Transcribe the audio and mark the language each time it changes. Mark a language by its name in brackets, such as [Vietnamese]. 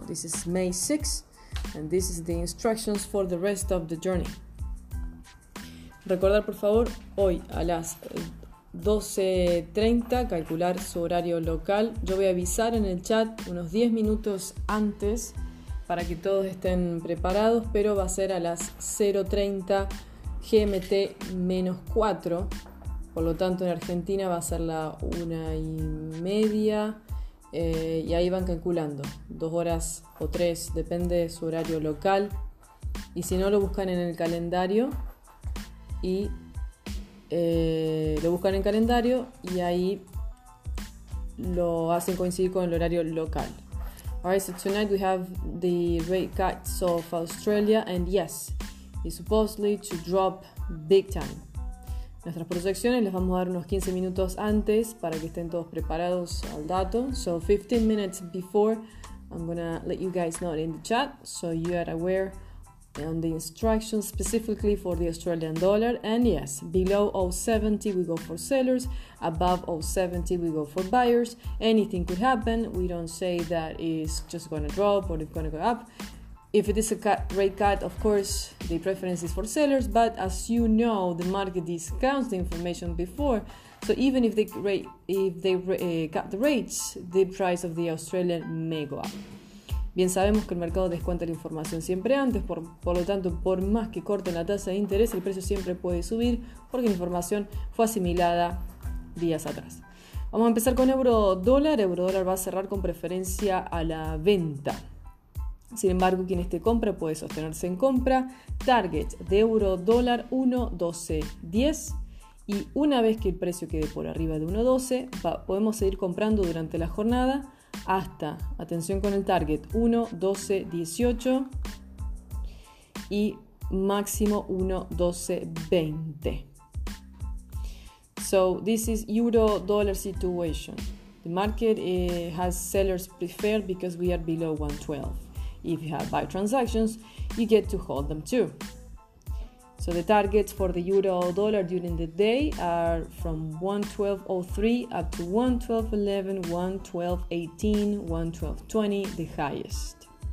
[English] This is May 6th, and this is the instructions for the rest of the journey. [Spanish] Recordar, por favor, hoy a las 12:30, calcular su horario local. Yo voy a avisar en el chat unos 10 minutos antes para que todos estén preparados, pero va a ser a las 0:30 GMT-4. Por lo tanto, en Argentina va a ser la 1:30, y ahí van calculando, 2 horas o 3, depende de su horario local. Y si no, lo buscan en el calendario, y lo buscan en calendario y ahí lo hacen coincidir con el horario local. [English] Alright, so tonight we have the rate cuts of Australia, and yes, it's supposedly to drop big time. [Spanish] Nuestras proyecciones les vamos a dar unos 15 minutos antes para que estén todos preparados al dato. [English] So 15 minutes before, I'm gonna let you guys know in the chat so you are aware on the instructions specifically for the Australian dollar. And yes, below 0.70 we go for sellers, above 0.70 we go for buyers. Anything could happen. We don't say that it's just gonna drop or it's gonna go up. If it is a cut, rate cut, of course, the preference is for sellers, but as you know, the market discounts the information before. So even if they cut the rates, the price of the Australian may go up. [Spanish] Bien, sabemos que el mercado descuenta la información siempre antes, por lo tanto, por más que corten la tasa de interés, el precio siempre puede subir porque la información fue asimilada días atrás. Vamos a empezar con euro-dólar. Euro-dólar va a cerrar con preferencia a la venta. Sin embargo, quien esté compra puede sostenerse en compra. Target de euro dólar 1.12.10. Y una vez que el precio quede por arriba de 1.12, podemos seguir comprando durante la jornada hasta, atención con el target, 1.12.18 y máximo 1.12.20. [English] So this is euro dollar situation. The market has sellers preferred because we are below 1.12. If you have buy transactions, you get to hold them too. So the targets for the euro dollar during the day are from 1.1203 up to 1.1211, 1.1218, 1.1220, the highest.